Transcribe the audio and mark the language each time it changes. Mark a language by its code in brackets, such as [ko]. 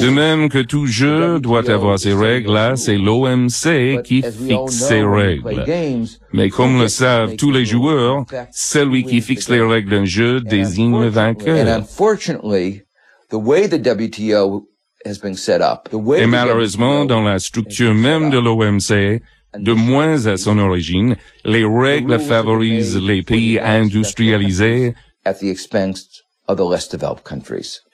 [fr] De même que tout jeu doit avoir ses règles, là, c'est l'OMC qui fixe ses règles. Mais comme le savent tous les joueurs, celui qui fixe les règles d'un jeu désigne le vainqueur. [en] And unfortunately, the way the WTO has been set up, the way [fr] et malheureusement, dans la structure même de l'OMC, de moins à son origine, les règles favorisent les pays industrialisés [en] at the expense of the less developed countries.